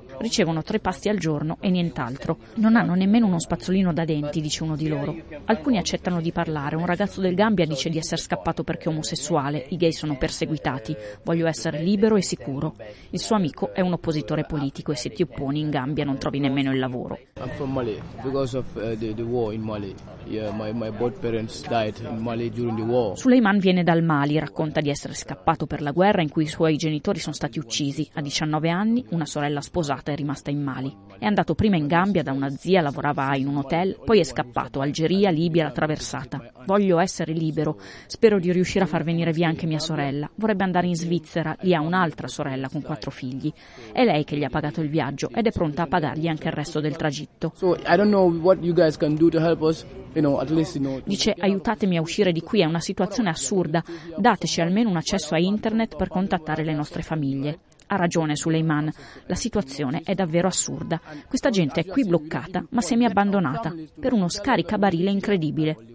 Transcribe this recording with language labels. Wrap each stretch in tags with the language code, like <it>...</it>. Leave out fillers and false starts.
<it>Ricevono tre pasti al giorno e nient'altro. Non hanno nemmeno uno spazzolino da denti, dice uno di loro. Alcuni accettano di parlare. Un ragazzo del Gambia dice di essere scappato perché è omosessuale. I gay sono perseguitati. Voglio essere libero e sicuro. Il suo amico è un oppositore politico e se ti opponi in Gambia non trovi nemmeno il lavoro. Sono</it> <en>from Mali because of the war in Mali. Yeah, my both parents died in Mali during the war.</en> <it>Suleiman viene dal Mali, racconta di essere scappato per la guerra in cui i suoi genitori sono stati uccisi. A 19 anni una sorella sposata è rimasta in Mali. È andato prima in Gambia da una zia, lavorava in un hotel, poi è scappato, Algeria, Libia, la traversata. Voglio essere libero, spero di riuscire a far venire via anche mia sorella. Vorrebbe andare in Svizzera, lì ha un'altra sorella con quattro figli. È lei che gli ha pagato il viaggio ed è pronta a pagargli anche il resto del tragitto.</it> <en>So I don't know what you guys can do to help us.</en> <it>Dice, aiutatemi a uscire di qui, è una situazione assurda. Dateci almeno un accesso a internet per contattare le nostre famiglie. Ha ragione Suleiman, la situazione è davvero assurda. Questa gente è qui bloccata, ma semi-abbandonata, per uno scaricabarile incredibile.</it>